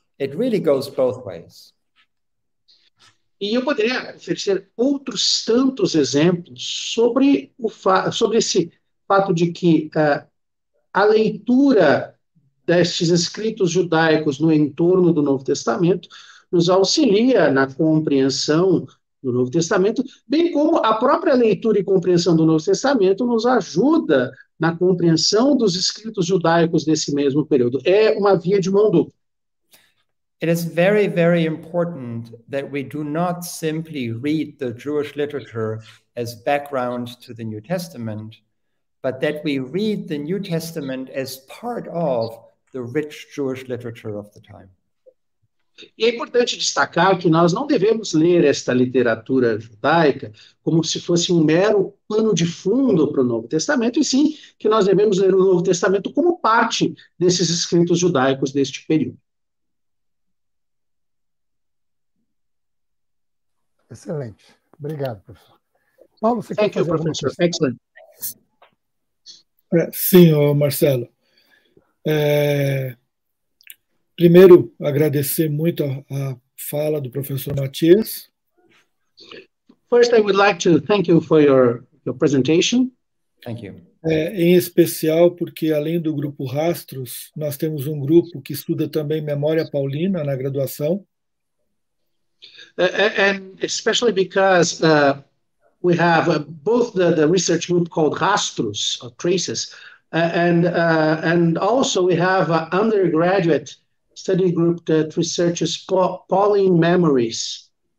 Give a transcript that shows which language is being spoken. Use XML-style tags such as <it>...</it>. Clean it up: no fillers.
<en>It really goes both ways.</en> <pt>E eu poderia oferecer outros tantos exemplos sobre esse fato de que a leitura destes escritos judaicos no entorno do Novo Testamento nos auxilia na compreensão do Novo Testamento, bem como a própria leitura e compreensão do Novo Testamento nos ajuda na compreensão dos escritos judaicos desse mesmo período. É uma via de mão dupla.</pt> <en>It is very, very important that we do not simply read the Jewish literature as background to the New Testament, but that we read the New Testament as part of the rich Jewish literature of the time.</en> <pt>E é importante destacar que nós não devemos ler esta literatura judaica como se fosse um mero pano de fundo para o Novo Testamento, e sim que nós devemos ler o Novo Testamento como parte desses escritos judaicos deste período. Excelente. Obrigado, professor. Paulo, você quer fazer alguma coisa? Excelente. Sim, Marcelo. Primeiro, agradecer muito a fala do professor Matthias.</pt> <en>First, I would like to thank you for your presentation. Thank you.</en> <pt>Em especial porque, além do Grupo Rastros, nós temos um grupo que estuda também memória paulina na graduação.</pt> <en>And especially because we have both the research group called Rastros, or Traces, and also we have an undergraduate study group that researches Pauline memories.</en>